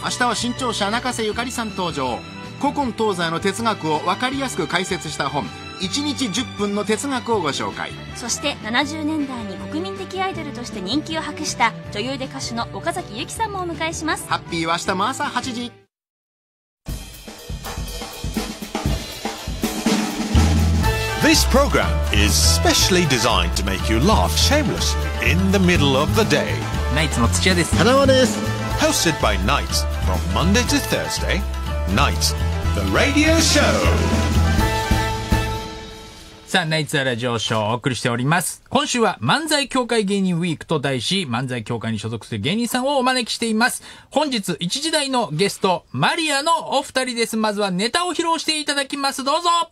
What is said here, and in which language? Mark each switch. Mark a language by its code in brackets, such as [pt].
[ja] 明日は新潮社、中瀬ゆかりさん登場。古今東西の哲学を分かりやすく解説した本、1日10分の哲学をご紹介。そして70年代に国民的アイドルとして人気を博した女優で歌手の岡崎由紀さんもお迎えします。ハッピーは明日も朝8時。 [en] This program is specially designed to make you laugh shamelessly in the middle of the day. [ja] Nights の土屋です。花輪です。 [en] Hosted by Nights from Monday to Thursday, Nights, the radio show. [ja] さあ、Nights はラジオショーをお送りしております。今週は漫才協会芸人ウィークと題し、漫才協会に所属する芸人さんをお招きしています。本日、一時代のゲスト、マリアのお二人です。まずはネタを披露していただきます。どうぞ。